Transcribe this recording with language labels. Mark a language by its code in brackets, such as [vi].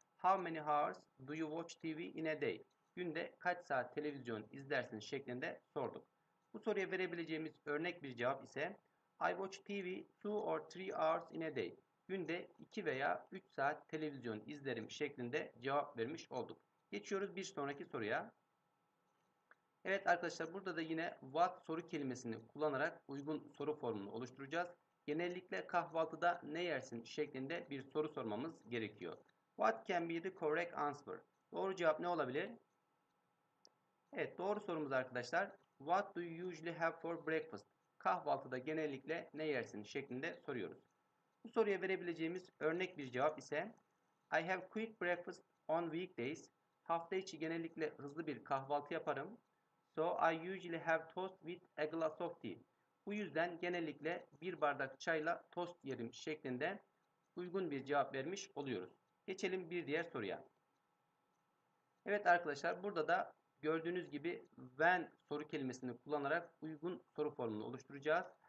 [en] How many hours do you watch TV in a day? [tr] Günde kaç saat televizyon izlersin şeklinde sorduk. Bu soruya verebileceğimiz örnek bir cevap ise [en] I watch TV 2 or 3 hours in a day. [tr] Günde 2 veya 3 saat televizyon izlerim şeklinde cevap vermiş olduk. Geçiyoruz bir sonraki soruya. Evet arkadaşlar burada da yine what soru kelimesini kullanarak uygun soru formunu oluşturacağız. Genellikle kahvaltıda ne yersin şeklinde bir soru sormamız gerekiyor. [en] What can be the correct answer? [tr] Doğru cevap ne olabilir? Evet, doğru sorumuz arkadaşlar. [en] What do you usually have for breakfast? [tr] Kahvaltıda genellikle ne yersin şeklinde soruyoruz. Bu soruya verebileceğimiz örnek bir cevap ise [en] I have quick breakfast on weekdays. [tr] Hafta içi genellikle hızlı bir kahvaltı yaparım. [en] So I usually have toast with a glass of tea. [tr] Bu yüzden genellikle bir bardak çayla tost yerim şeklinde uygun bir cevap vermiş oluyoruz. Geçelim bir diğer soruya. Evet arkadaşlar burada da Gördüğünüz gibi when soru kelimesini kullanarak uygun soru formunu oluşturacağız.